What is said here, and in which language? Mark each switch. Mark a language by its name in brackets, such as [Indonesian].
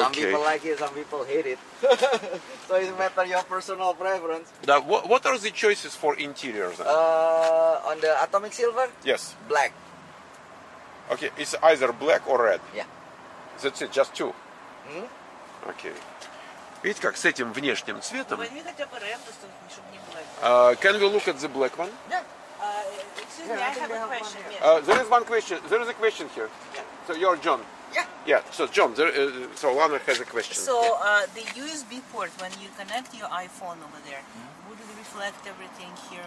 [English] Some people like it, some people hate it. So it's matter your personal preference. [Russian] Да, [English] what are the choices for interiors? On the atomic silver? Yes. Black. Okay, it's either black or red. Yeah. That's it, just two. Mm-hmm. Okay. [Russian] Видите, как с этим внешним цветом? Ну, возьми хотя бы рэмбус, чтобы не было. [English] Can we look at the black one? Yeah. Excuse me, I have a question. There is one question. There is a question here. Yeah. So you're John. Yeah. Yeah. So John, so Lana has a question. So the USB port, when you connect your iPhone over there, mm-hmm. would it reflect everything here?